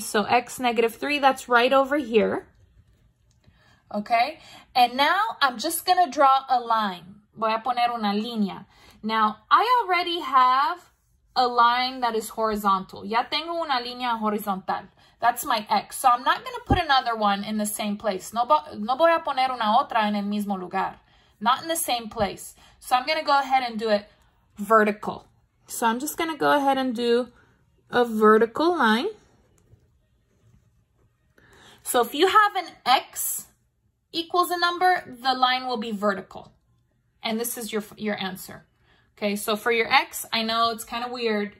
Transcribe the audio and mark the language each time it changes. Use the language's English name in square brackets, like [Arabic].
[English] So x negative 3, that's right over here. Okay? And now I'm just going to draw a line. [Spanish] Voy a poner una línea. [English] Now, I already have a line that is horizontal. [Spanish] Ya tengo una línea horizontal. [English] That's my x. So I'm not going to put another one in the same place. [Spanish] No voy a poner una otra en el mismo lugar. [English] Not in the same place. So I'm going to go ahead and do it vertical. So I'm just going to go ahead and do a vertical line. So if you have an x equals a number, the line will be vertical. And this is your answer. Okay, so for your x, I know it's kind of weird.